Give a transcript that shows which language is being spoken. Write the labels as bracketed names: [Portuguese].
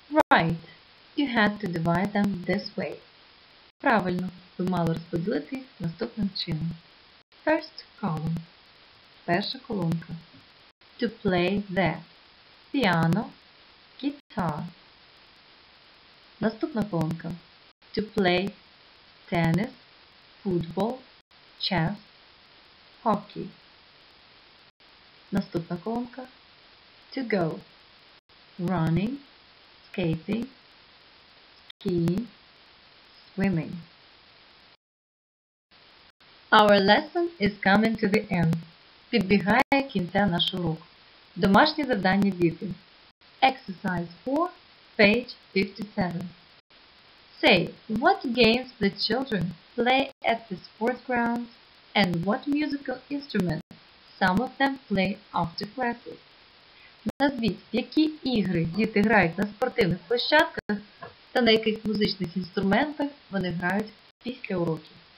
[English] Right, you had to divide them this way. [Ukrainian] Правильно, ви мали розподілити їх наступним чином. [English] First column. [Ukrainian] Перша колонка. [English] To play the piano, guitar. [Ukrainian] Наступна колонка. [English] To play tennis, football, chess, hockey. [Ukrainian] Наступна колонка. [English] To go running, skating, skiing, swimming. Our lesson is coming to the end. [Ukrainian] Підбігає кінця наш урок. Домашнє завдання діти. [English] Exercise 4, page 57. Say, what games the children play at the sports ground and what musical instruments some of them play after classes? [Ukrainian] Назвіть, які ігри діти грають на спортивних площадках та на яких музичних інструментах вони грають після уроків.